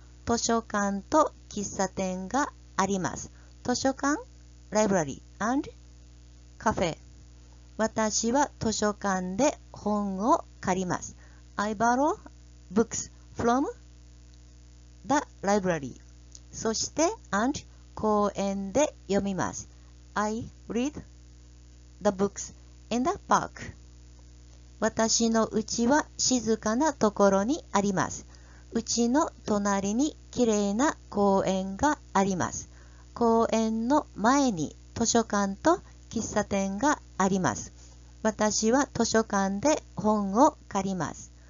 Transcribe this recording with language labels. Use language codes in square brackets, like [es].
[ja] 図書館と喫茶店があります図書館 [en] library and cafe [ja] 私は図書館で本を借ります [en] I borrow books from the library. [ja] そして and 公園で読みます。 [en] I read the books in the park. [ja] 私の家は静かなところにあります。うちの隣にきれいな公園があります。公園の前に図書館と喫茶店があります。私は図書館で本を借ります。